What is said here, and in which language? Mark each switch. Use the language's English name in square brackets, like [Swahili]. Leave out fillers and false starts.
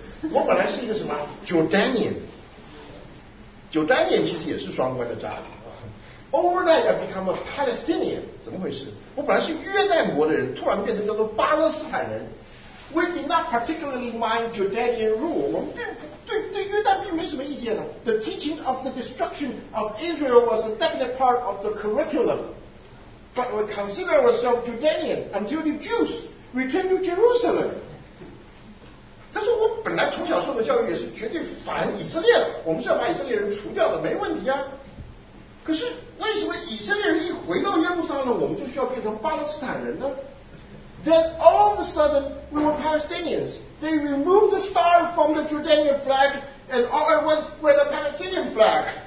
[Chinese] 我本来是一个什么 ？Jordanian， 其实也是双关的诈语。 [English] Overnight I become a Palestinian，怎么回事？ [Chinese] 我本来是约旦国的人，突然变成叫做巴勒斯坦人。 [English] We did not particularly mind Jordanian rule. [Chinese] 我们并不对约旦并没什么意见了。 [English] The teachings of the destruction of Israel was a definite part of the curriculum. But we consider ourselves Jordanian until the Jews return to Jerusalem. [Chinese] 他说我本来从小受的教育也是绝对反以色列的，我们是要把以色列人除掉的，没问题啊。可是为什么以色列人一回到耶路撒冷，我们就需要变成巴勒斯坦人呢？ [English] Then all of a sudden we were Palestinians. They removed the star from the Jordanian flag, and all at once we had a Palestinian flag.